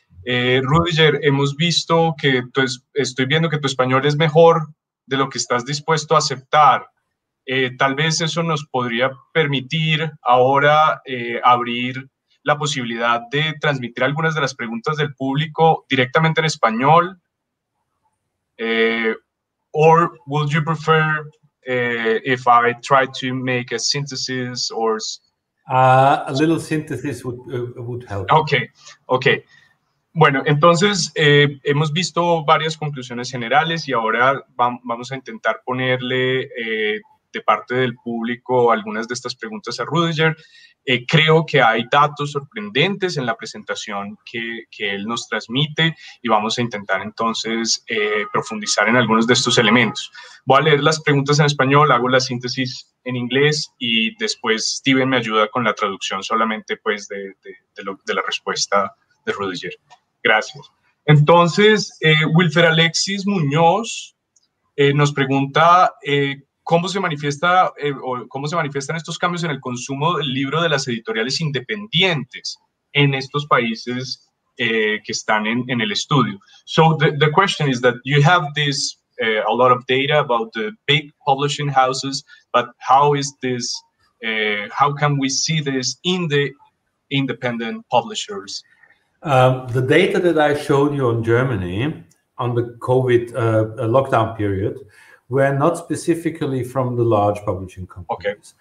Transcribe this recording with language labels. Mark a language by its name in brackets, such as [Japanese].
[Spanish] Rüdiger, hemos visto que estoy viendo que tu español es mejor de lo que estás dispuesto a aceptar. Tal vez eso nos podría permitir ahora abrir la posibilidad de transmitir algunas de las preguntas del público directamente en español. [English] Or would you prefer if I try to make a synthesis or a little synthesis would help? Okay. [Spanish] Bueno, entonces hemos visto varias conclusiones generales y ahora vamos a intentar ponerle de parte del público algunas de estas preguntas a Rüdiger. Creo que hay datos sorprendentes en la presentación que él nos transmite y vamos a intentar entonces profundizar en algunos de estos elementos. Voy a leer las preguntas en español, hago la síntesis en inglés y después Steven me ayuda con la traducción solamente pues de la respuesta de Rüdiger. Gracias. Entonces, Wilfer Alexis Muñoz nos pregunta... ¿Cómo se manifiestan estos cambios en el consumo del libro de las editoriales independientes en estos países que están en el estudio? [English] So the question is that you have this a lot of data about the big publishing houses, but how is this? How can we see this in the independent publishers? The data that I showed you on Germany on the COVID lockdown period were not specifically from the large publishing companies.